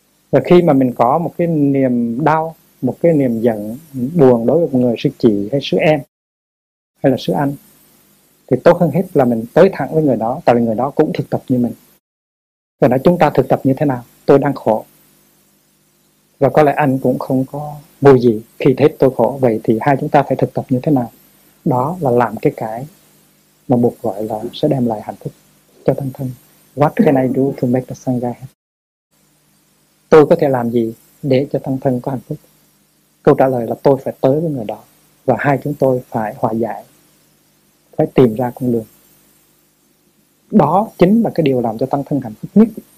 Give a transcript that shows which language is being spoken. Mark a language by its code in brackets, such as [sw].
[vi] Và khi mà mình có một cái niềm đau, một cái niềm giận buồn đối với một người sư chị hay sư em hay là sư anh, thì tốt hơn hết là mình tới thẳng với người đó, tại vì người đó cũng thực tập như mình. Và nói chúng ta thực tập như thế nào, tôi đang khổ và có lẽ anh cũng không có vui gì khi thấy tôi khổ, vậy thì hai chúng ta phải thực tập như thế nào. Đó là làm cái mà buộc gọi là sẽ đem lại hạnh phúc cho thân thân. [en] What can I do to make the sangha happy? [vi] Tôi có thể làm gì để cho thân thân có hạnh phúc? Câu trả lời là tôi phải tới với người đó và hai chúng tôi phải hòa giải, phải tìm ra con đường. Đó chính là cái điều làm cho tăng thân hạnh phúc nhất.